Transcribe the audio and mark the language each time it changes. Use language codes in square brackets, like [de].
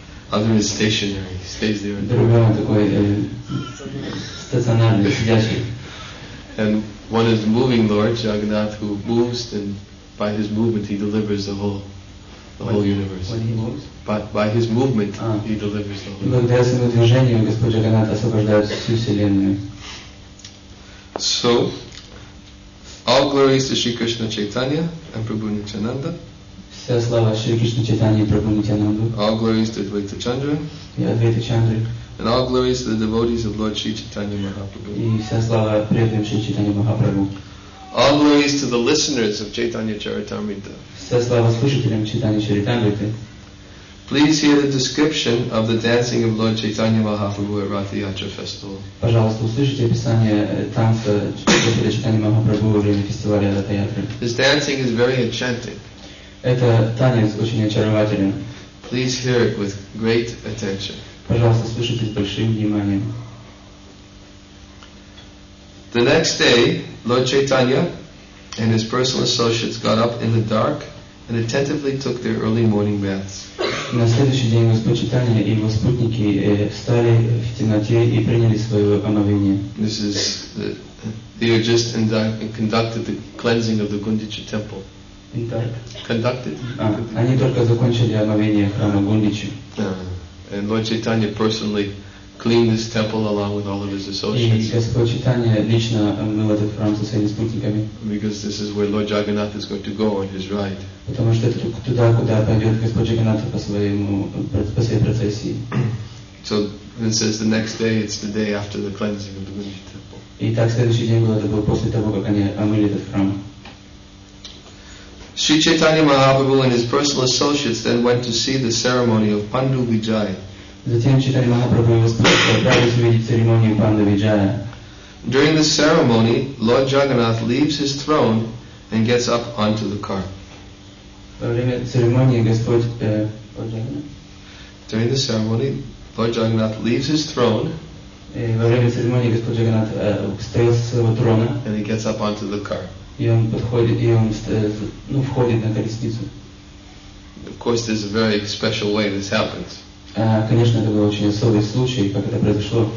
[en] Other is stationary, stays there. And one is moving Lord Jagannath, who moves, and by his movement he delivers the whole universe. When he moves? By his movement, he delivers the whole [ru] Благодаря своему движению Господь Джаганнат освобождает всю вселенную. [en] So, all glories to Shri Krishna Chaitanya and Prabhu Nityananda. [ru] Вся слава Шри Кришна Чайтанья и Прабху Нитянанду. [en] All glories to Advaita Chandra. [ru] И Адвайта Чандра. [en] And all glories to the devotees of Lord Shri Chaitanya Mahaprabhu. [ru] И вся слава преданным Шри Чайтанья Махапрабху. [en] All glories to the listeners of Chaitanya Charitamrita. [ru] Вся слава слушателям Чайтанья Чаритамриты. [en] Please hear the description of the dancing of Lord Chaitanya Mahaprabhu at Ratha Yatra Festival. [ru] Пожалуйста, услышите описание танца Господа Чайтанья Махапрабху во время фестиваля Ратха Ятры. [en] This dancing is very enchanting. [ru] Это танец очень очарователен. [en] Please hear it with great attention. [ru] Пожалуйста, слушайте с большим вниманием. [en] The next day, Lord Chaitanya and his personal associates got up in the dark and attentively took their early morning baths. [ru] На следующий день Господь Чайтанья и его спутники встали в темноте и приняли свое омовение. [en] This is they are just conducted the cleansing of the Gundicha temple. In dark. Conducted. [ru] Они только закончили омовение храма Гундичи. [en] And Lord Chaitanya personally cleaned this temple along with all of his associates. [ru] И Господь Чайтанья лично омыл этот храм со своими спутниками. [en] Because this is where Lord Jagannath is going to go on his ride. [ru] Потому что это туда, куда пойдет Господь Джаганнатх по своей процессии. [en] So it says the next day, it's the day after the cleansing of the Gundicha temple. [ru] И так следующий день был, это был после того, как они омыли этот храм. [en] Shri Chaitanya Mahaprabhu and his personal associates then went to see the ceremony of Pandu Vijaya. [ru] Затем Чайтанья Махапрабху и его спутники отправились увидеть церемонию Панду Виджая. [en] During the ceremony, Lord Jagannath leaves his throne and gets up onto the car. [ru] Во время церемонии Господь Джагнат встает со своего трона. [en] And he gets up onto the car. [ru] И он подходит, и он входит на колесницу. [en] Of course, there's a very special way this happens. [ru] Конечно, это был очень особый случай, как это произошло.